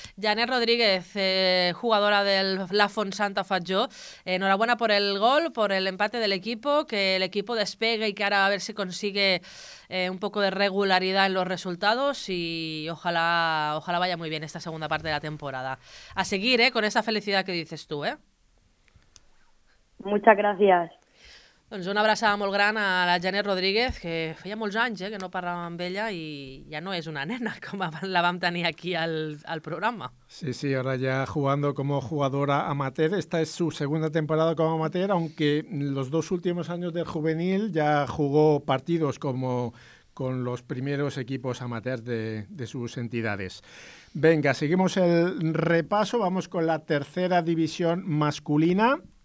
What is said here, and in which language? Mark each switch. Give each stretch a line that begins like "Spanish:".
Spanish: Janet Rodríguez, jugadora del La Fonsanta Fatjó, enhorabuena por el gol, por el empate del equipo, que el equipo despegue y que ahora a ver si consigue un poco de regularidad en los resultados y ojalá vaya muy bien esta segunda parte de la temporada. A seguir, con esa felicidad que dices tú, Muchas gracias.
Catalan: Doncs una abraçada molt gran a la Janet Rodríguez, que feia molts anys que no parlàvem amb ella i ja no és una nena com la vam tenir aquí al programa.
Spanish: Sí, sí, ahora ya jugando como jugadora amateur. Esta es su segunda temporada como amateur, aunque los dos últimos años del juvenil ya jugó partidos como con los primeros equipos amateur de sus entidades. Venga, seguimos el repaso. Vamos con la tercera división masculina.